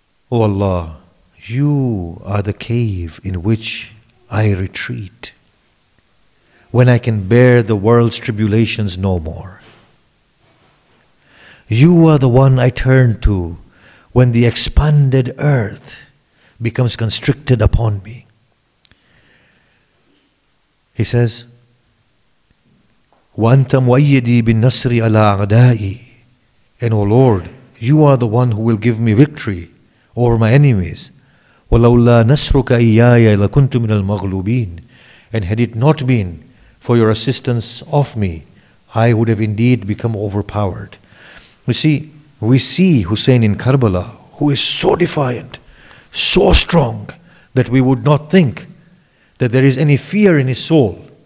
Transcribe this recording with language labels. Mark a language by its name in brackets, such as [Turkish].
[English] O Allah, you are the cave in which I retreat when I can bear the world's tribulations no more. You are the one I turn to when the expanded earth becomes constricted upon me. He says, [Arabic] وَأَنْتَ مُؤَيِّدِي بِالنَّصْرِ عَلَىٰ أَعْدَائِي. [English] And O Lord, you are the one who will give me victory over my enemies. [Arabic] وَلَوْلَا نَصْرُكَ إِيَّايَ لَكُنْتُ مِنَ الْمَغْلُوبِينَ. [English] And had it not been for your assistance of me, I would have indeed become overpowered. We see Hussein in Karbala, who is so defiant, so strong, that we would not think that there is any fear in his soul.